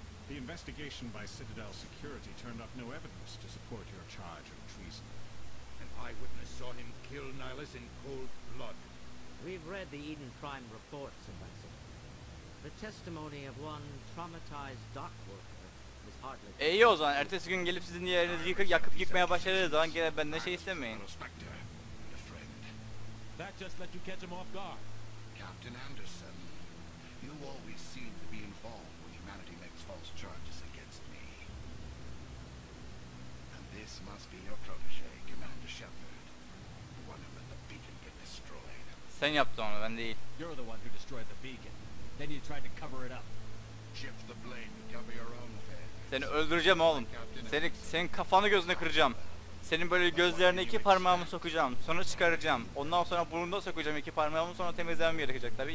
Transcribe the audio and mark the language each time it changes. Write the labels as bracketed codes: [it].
[en] The investigation by Citadel Security turned up no evidence to support your charge of treason. An eyewitness saw him kill Nihilus in cold blood. We've read the Eden Prime reports, Ambassador. The testimony of one traumatized dock worker is hardly... [tr] İyi o zaman, ertesi gün gelip sizin yerinizi yakıp yıkmaya başladığı zaman gene ben de şey istemeyin. [en] That just let you catch him off guard. Captain Anderson, you always seem to be involved when humanity makes false charges against me. And this must be your protege, Commander Shepard. The one who let the beacon get destroyed. [tr] Sen yaptın onu, ben değil. [en] You're the one who destroyed the beacon. Then you tried to cover it up. Shift the blade to cover your own face. [tr] Seni öldüreceğim oğlum. Senin kafanı gözüne kıracağım. Senin böyle gözlerine iki parmağımı sokacağım, sonra çıkaracağım. Ondan sonra burnuna sokacağım iki parmağımı, sonra temizlemem gerekecek tabii.